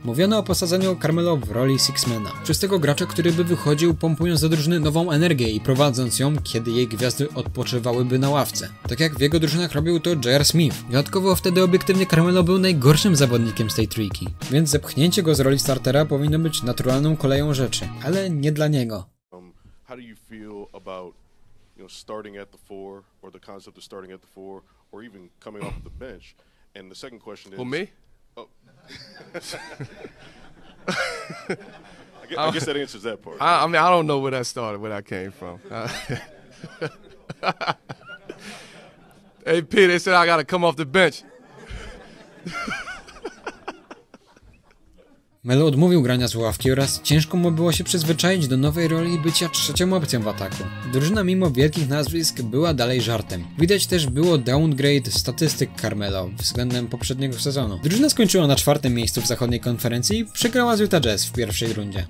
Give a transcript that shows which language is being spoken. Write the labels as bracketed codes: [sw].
[pl] Mówiono o posadzeniu Carmelo w roli Six Mena. Czystego gracza, który by wychodził, pompując do drużyny nową energię i prowadząc ją, kiedy jej gwiazdy odpoczywałyby na ławce. Tak jak w jego drużynach robił to J.R. Smith. Dodatkowo wtedy obiektywnie Carmelo był najgorszym zawodnikiem z tej trójki. Więc zepchnięcie go z roli startera powinno być naturalną koleją rzeczy, ale nie dla niego. [en] How do you feel about, you know, starting at the four, or the concept of starting at the four, or even coming off the bench? And the second question is... Well, me? Oh. I guess that answers that part. I mean, I don't know where that started, where that came from. AP, they said I gotta come off the bench. [pl] Melo odmówił grania z ławki oraz ciężko mu było się przyzwyczaić do nowej roli bycia trzecią opcją w ataku. Drużyna mimo wielkich nazwisk była dalej żartem. Widać też było downgrade statystyk Carmelo względem poprzedniego sezonu. Drużyna skończyła na 4. miejscu w zachodniej konferencji i przegrała z Utah Jazz w pierwszej rundzie.